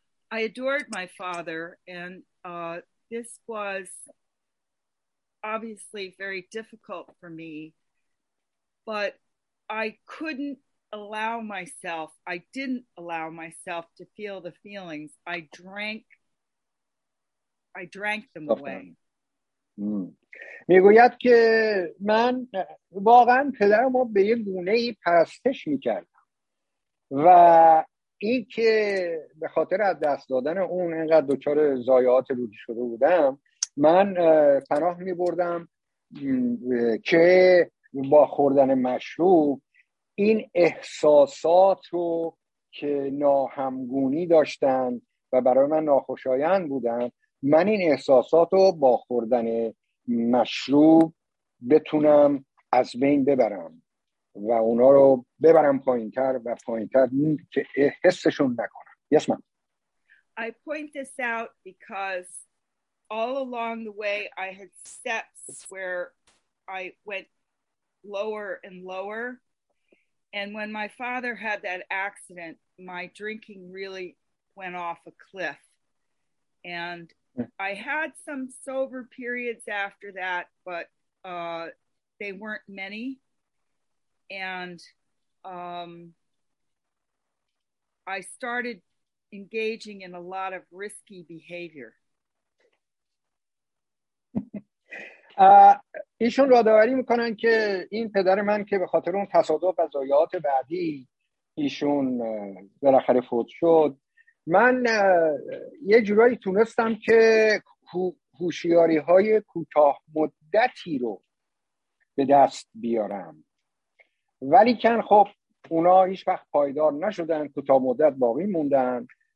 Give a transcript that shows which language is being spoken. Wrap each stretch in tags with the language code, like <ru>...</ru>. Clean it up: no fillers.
<en>I adored my father and this was obviously very difficult for me, but I couldn't allow myself, I didn't allow myself to feel the feelings. I drank them away.</en> <fa>میگوید که من واقعا پدرم رو به یه گونه ای پرستش میکردم و این که به خاطر از دست دادن اون اینقدر دچار ضایعات روحی شده بودم، من پناه میبردم که با خوردن مشروب این احساسات رو که ناهمگونی داشتن و برای من ناخوشایند بودن، من این احساسات رو با خوردن مشروب بتونم از بین ببرم و اونا رو ببرم پایین‌تر و پایین‌تر که حسشون نکنم.</fa> <en>Yes, ma'am. I point this out because all along the way I had steps where I went lower and lower. And when my father had that accident, my drinking really went off a cliff. And I had some sober periods after that, but they weren't many. And I started engaging in a lot of risky behavior.</en> <fa>ایشون یادآوری میکنن که این پدر من که به خاطر اون تصادف و ضایعات بعدی ایشون بالاخره فوت شد، من یه جورایی تونستم که هوشیاری های کوتاه مدتی رو به دست بیارم، ولیکن خب اونا هیچ وقت پایدار نشدن، کوتاه مدت باقی موندن.</fa>